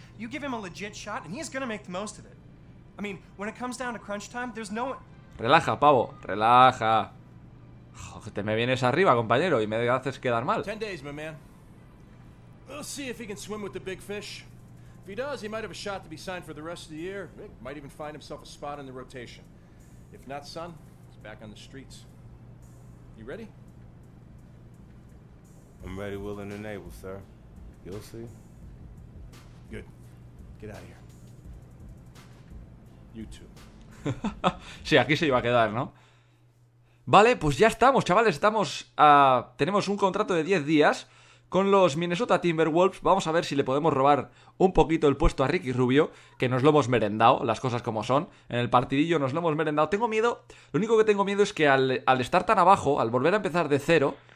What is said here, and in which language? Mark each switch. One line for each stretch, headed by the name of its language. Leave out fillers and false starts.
English: You give him a legit shot and he's gonna make the most of it. I mean, when it comes down to crunch time, there's no...
Spanish: Relaja, pavo, relaja. Joder, te me vienes arriba, compañero, y me haces quedar mal.
English: 10 days, my man. We'll see if he can swim with the big fish. If he does, he might have a shot to be signed for the rest of the year. He might even find himself a spot in the rotation. If not, son, he's back on the streets. You ready? I'm ready, willing, and able, sir. You'll see. Good. Get out of here. You too.
Spanish: Sí, aquí se iba a quedar, ¿no? Vale, pues ya estamos, chavales. Estamos a... Tenemos un contrato de 10 días con los Minnesota Timberwolves. Vamos a ver si le podemos robar un poquito el puesto a Ricky Rubio, que nos lo hemos merendado, las cosas como son. En el partidillo nos lo hemos merendado. Tengo miedo. Lo único que tengo miedo es que al estar tan abajo, al volver a empezar de cero...